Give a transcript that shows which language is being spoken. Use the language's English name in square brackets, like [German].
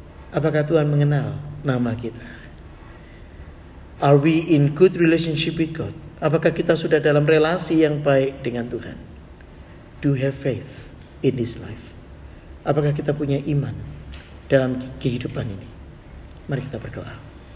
[Indonesian] Apakah Tuhan mengenal nama kita? [English] Are we in good relationship with God? [Indonesian] Apakah kita sudah dalam relasi yang baik dengan Tuhan? [English] Do you have faith in this life? [Indonesian] Apakah kita punya iman dalam kehidupan ini? Mari kita berdoa.